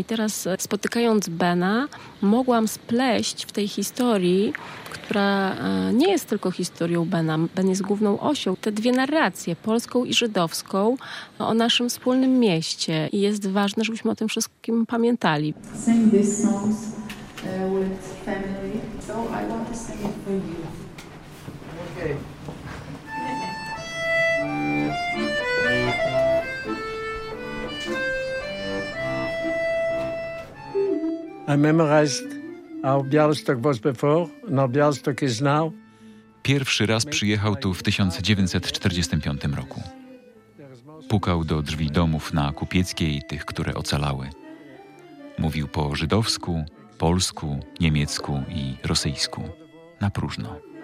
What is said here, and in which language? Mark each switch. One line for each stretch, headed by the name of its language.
Polish: I teraz spotykając Bena, mogłam spleść w tej historii, która nie jest tylko historią Bena, Ben jest główną osią, te dwie narracje, polską i żydowską, o naszym wspólnym mieście. I jest ważne, żebyśmy o tym wszystkim pamiętali.
English: Sing this song with family. So I want to sing it for you. Okay. I memorized how Białystok was before, and how Białystok is now.
Polish: Pierwszy raz przyjechał tu w 1945 roku. Pukał do drzwi domów na Kupieckiej, tych, które ocalały. Mówił po żydowsku, polsku, niemiecku i rosyjsku. Na próżno.